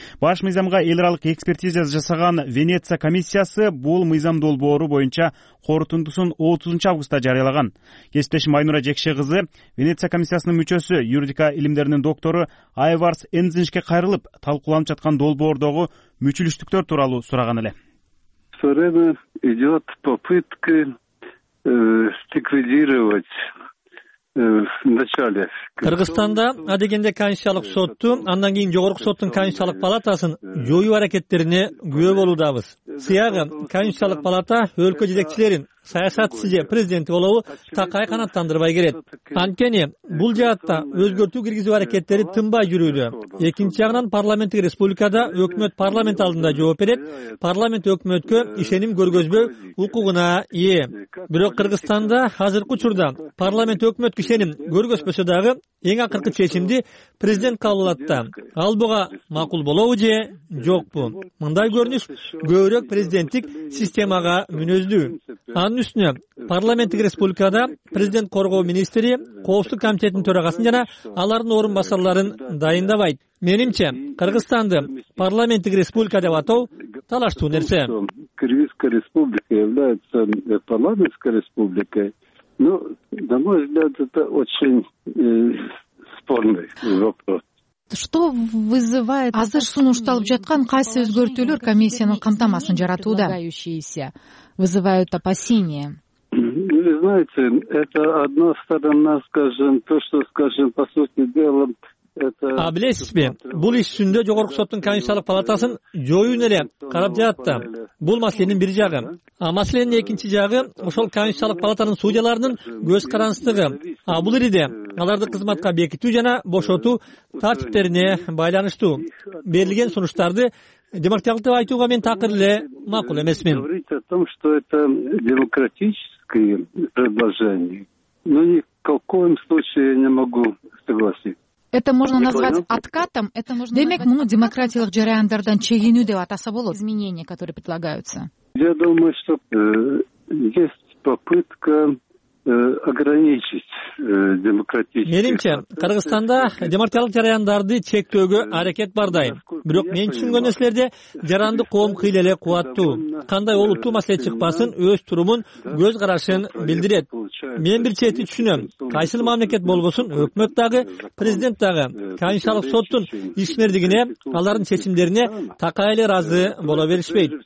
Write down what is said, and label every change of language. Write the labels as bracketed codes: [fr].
[ky] Баш мыйзамга эл аралык экспертиза жасаган Венеция комиссиясы бул мыйзам долбоору боюнча корутундусун 30-августта жарыялаган. Кесиптешим Айнура Жекше кызы, Венеция комиссиясынын мүчөсү, юридика илимдеринин доктору Айварс Энзиншке кайрылып, талкууланып жаткан долбоордогу мүчүлүштүктөр тууралуу сураган эле. [ru] Все время идет попытка ликвидировать в начале. [ky] Кыргызстанда адегенде конституциялык сотту, андан кийин жогорку соттун конституциялык палатасын жоюу аракеттерине күбө болуудабыз. Сыягы конституциялык палата өлкө жетекчилерин, саясатчы же президенти болобу такай канааттандырбай келет. Анткени бул жаатта өзгөртүү киргизүү аракеттери тынбай жүрүүдө. Экинчи жагынан парламенттик республикада өкмөт парламент алдында жооп берет, парламент өкмөткө ишеним көргөзбөө укугуна ээ. Бирок Кыргызстанда азыркы учурда парламент өкмөткө ишеним көргөзбөсө дагы эң акыркы чечимди президент кабыл алат да, ал буга макул болобу же жокпу? Мындай көрүнүш көбүрөөк президенттик системага мүнөздүү. Анын үстүнө парламенттик республикада президент коргоо министри, коопсуздук комитетинин төрагасын жана алардын орун басарларын дайындабайт. Менимче, Кыргызстанды парламенттик республика деп атоо талаштуу нерсе. [ru] Кыргызская республика является парламентской республикой. Ну, на мой взгляд, это очень спорный вопрос. Что вызывает [ky] азыр сунушталып жаткан кайсы өзгөртүүлөр комиссиянын камтамасын жаратууда [ru] вызывают опасения? Вы знаете, это одна сторона, скажем, то, что, скажем, по сути дела, это... [ky] А билесизби, бул иш жүзүндө жогорку соттун конституциялык палатасын жоюуну эле карап жатат да. Бул маселенин бир жагы. А маселенин экинчи жагы ошол конституциялык палатанын судьяларынын көз карандысыздыгы. А бул ириде аларды кызматка бекитүү жана бошотуу тартиптерине байланыштуу. Берилген сунуштарды демократиялык деп айтууга мен такыр эле макул эмесмин. [ru] Говорить о том, что это демократическое предложение, но ни в каком случае я не могу согласиться. Это можно назвать откатом, это можно [ky] демек мы демократиялык жараяндардан чегинүү деп атаса болот. [ru] Изменения, которые предлагаются. Я думаю, что есть попытка ограничить демократические. [ky] Менимче, Кыргызстанда демократиялык жараяндарды чектөөгө аракет бардай. Бирок мен түшүнгөн нерселерде жарандык коом кыйла эле кубаттуу. Кандай улуттуу маселе чыкпасын, өз турумун, көз карашын билдирет. Мен бир чети түшүнөм. Кайсыл мамлекет болбосун, өкмөт дагы, президент дагы Конституциялык соттун ишмердигине, алардын чечимдерине такай эле ыраазы боло беришпейт.